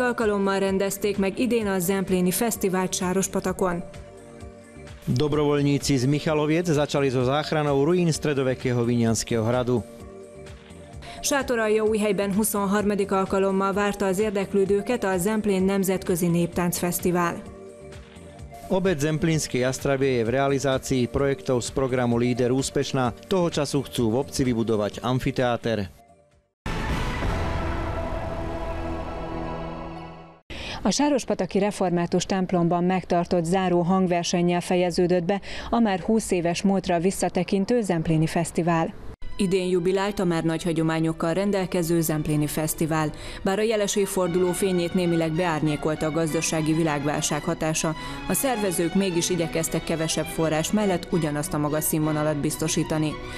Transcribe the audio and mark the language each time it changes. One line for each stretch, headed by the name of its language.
Hungarian: alkalommal rendezték meg idén a Zempléni Fesztivált Sárospatakon.
Slovak: Dobrovoľníci z Michaloviec začali so záchranou ruín stredovekého Vinianského hradu.
Hungarian: Sátoraljai Újhelyben 23. alkalommal várta az érdeklődőket a Zemplén Nemzetközi Néptáncfesztivál.
Slovak: Obec Zemplínskej Jastrabie je v realizácii projektov z programu Líder úspešná. Toho času chcú v obci vybudovať amfiteáter.
Hungarian: A Sárospataki Református templomban megtartott záró hangversennyel fejeződött be a már 20 éves múltra visszatekintő Zempléni Fesztivál. Idén jubilált a már nagy hagyományokkal rendelkező Zempléni Fesztivál. Bár a jeles évforduló fényét némileg beárnyékolta a gazdasági világválság hatása, a szervezők mégis igyekeztek kevesebb forrás mellett ugyanazt a magas színvonalat biztosítani.